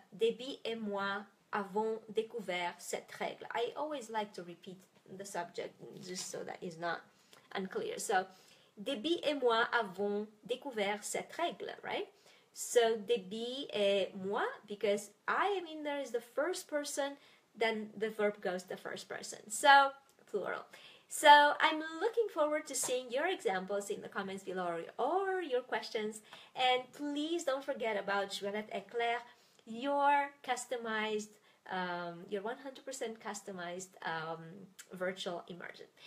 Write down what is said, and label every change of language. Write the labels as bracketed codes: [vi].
[fr] Debbie et moi avons découvert cette règle. [en] I always like to repeat the subject just so that it's not unclear. [fr] So, Debbie et moi avons découvert cette règle, right? [en] So, [fr] Debbie et moi, [en] because I am in there as the first person, then the verb goes the first person. So, plural. So I'm looking forward to seeing your examples in the comments below or your questions. And please don't forget about J'Ouellette Éclair, your customized, your 100% customized virtual immersion.